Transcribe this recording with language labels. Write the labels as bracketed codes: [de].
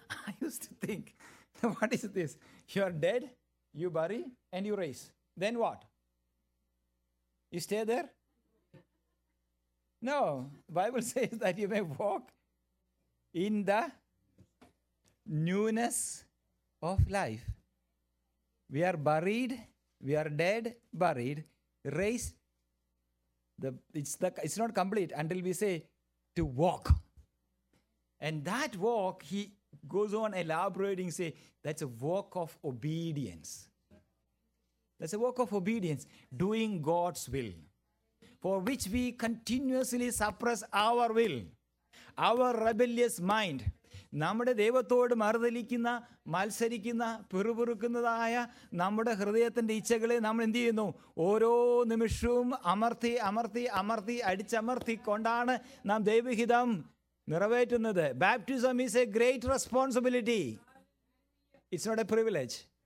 [en] I used to think, what is this? You are dead, you bury and you raise, then what? You stay there? No, Bible says that you may walk in the newness of life. We are buried, we are dead, buried, raised. It's not complete until we say to walk, and that walk, he goes on elaborating, say that's a walk of obedience. That's a walk of obedience, doing God's will, for which we continuously suppress our will, our rebellious mind. [ml] നമ്മുടെ ദൈവത്തോട് മറുതലിക്കുന്ന, മത്സരിക്കുന്ന, പിറുപിറുക്കുന്നതായ നമ്മുടെ ഹൃദയത്തിൻ്റെ ഇച്ഛകളെ നമ്മൾ എന്തു ചെയ്യുന്നു? ഓരോ നിമിഷവും അമർത്തി അമർത്തി അമർത്തി അടിച്ചമർത്തിക്കൊണ്ടാണ് നാം ദൈവഹിതം നിറവേറ്റുന്നത്. [en] Baptism is a great responsibility, it's not a privilege.